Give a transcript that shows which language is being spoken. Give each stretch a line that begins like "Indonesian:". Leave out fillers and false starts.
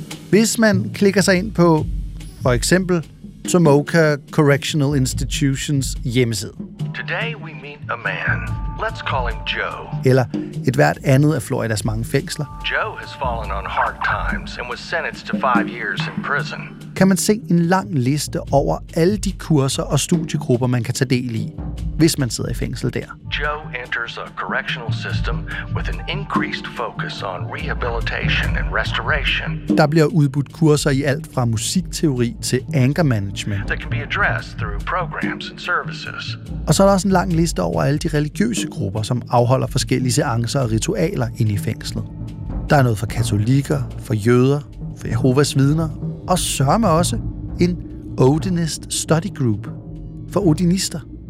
Danish: Hvis man klikker sig ind på for eksempel Tomoka Correctional Institutions hjemmeside.
English: Today we meet a man. Let's call him Joe.
Danish: Eller et hvert andet af Floridas mange fængsler.
English: Joe has fallen on hard times and was sentenced to 5 years in prison.
Danish: Kan man se en lang liste over alle de kurser og studiegrupper, man kan tage del i, hvis man sidder i fængsel der.
English: Joe enters a correctional system with an increased focus on rehabilitation and restoration.
Danish: Der bliver udbudt kurser i alt fra musikteori til anger management.
English: That can be addressed through programs and services.
Danish: Og så er der også en lang liste over alle de religiøse grupper, som afholder forskellige seancer og ritualer inde i fængslet. Der er noget for katolikker, for jøder, for Jehovas vidner, og sørme også en Odinist Study Group for odinister.